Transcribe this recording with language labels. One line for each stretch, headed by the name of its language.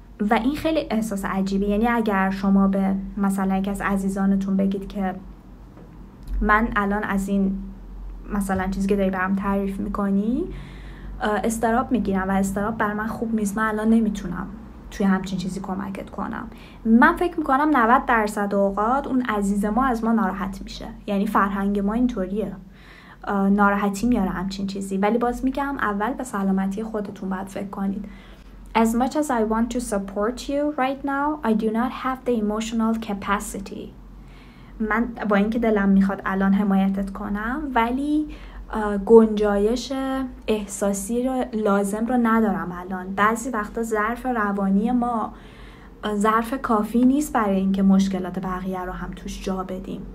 Persian: و این خیلی احساس عجیبی، یعنی اگر شما به مثلا یکی از عزیزانتون بگید که من الان از این مثلا چیزی که داری برام تعریف میکنی استراب میگیرم و استراب بر من خوب نیست، من الان نمیتونم توی همچین چیزی کمکت کنم، من فکر میکنم 90% اوقات اون عزیز ما از ما ناراحت میشه، یعنی فرهنگ ما اینطوریه، ناراحتی میاره همچین چیزی. ولی باز میگم اول به سلامتی خودتون باید فکر کنید.
English: As much as I want to support you right now, I do not have the emotional capacity.
Persian: من با اینکه دلم میخواد الان حمایتت کنم، ولی گنجایش احساسی رو لازم رو ندارم الان. بعضی وقتا ظرف روانی ما ظرف کافی نیست برای اینکه مشکلات بقیه رو هم توش جا بدیم.